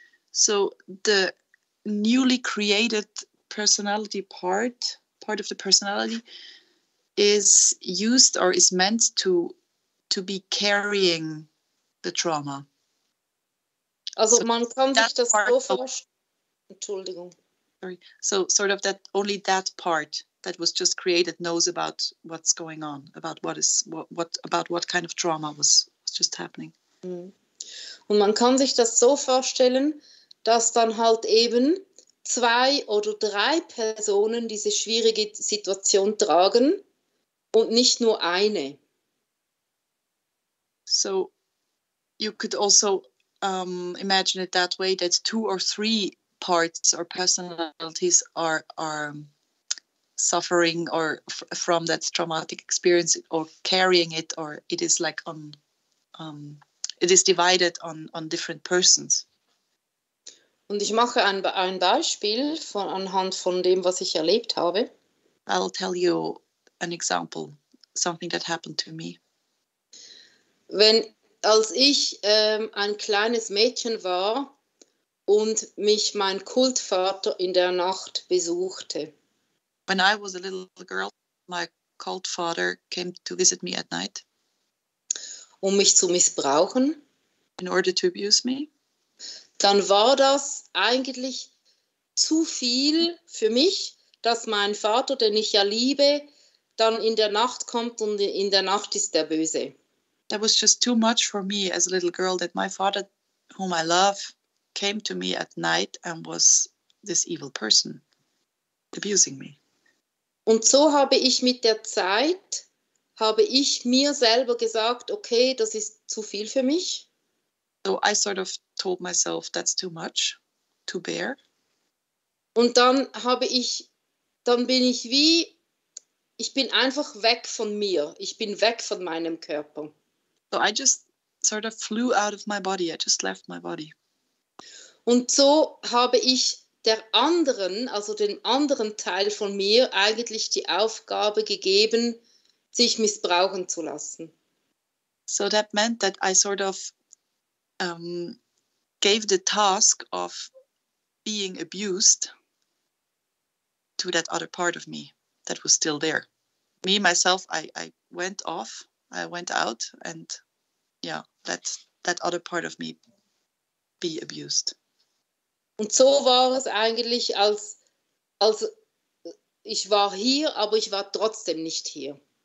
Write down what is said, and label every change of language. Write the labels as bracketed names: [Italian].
[English] So the newly created personality part of the personality is used or is meant to be carrying the trauma. [German] Also so man kann sich das so vorstellen. Entschuldigung. [English] Sorry. So sort of that only that part that was just created knows about what's going on, about what kind of trauma was just happening. [German] Und man kann sich das so vorstellen, dass dann halt eben zwei oder drei Personen diese schwierige Situation tragen und nicht nur eine. [English] So you could also imagine it that way, that two or three parts or personalities are suffering or from that traumatic experience or carrying it, or it is like it is divided on different persons. [German] Und ich mache ein Beispiel anhand von dem, was ich erlebt habe. [English] I'll tell you an example, something that happened to me. [German] Als ich ein kleines Mädchen war und mich mein Kultvater in der Nacht besuchte. [English] When I was a little girl, my cult father came to visit me at night. [German] Um mich zu missbrauchen. [English] In order to abuse me. [German] Dann war das eigentlich zu viel für mich, dass mein Vater, den ich ja liebe, dann in der Nacht kommt und in der Nacht ist der Böse. [English] That was just too much for me as a little girl, that my father, whom I love, came to me at night and was this evil person, abusing me. [German] Und so habe ich mit der Zeit, habe ich mir selber gesagt, okay, das ist zu viel für mich. [English] So I sort of told myself, that's too much to bear. [German] Und dann bin ich wie ich bin einfach weg von mir. Ich bin weg von meinem Körper. [English] So I just sort of flew out of my body. I just left my body. [German] Und so habe ich der anderen, also dem anderen Teil von mir, eigentlich die Aufgabe gegeben, sich missbrauchen zu lassen. [English] So that meant that I sort of gave the task of being abused to that other part of me that was still there. Me, myself, I went off, I went out and yeah, that other part of me be abused. [German] Und so war es eigentlich, als ich war hier, aber ich war trotzdem nicht hier.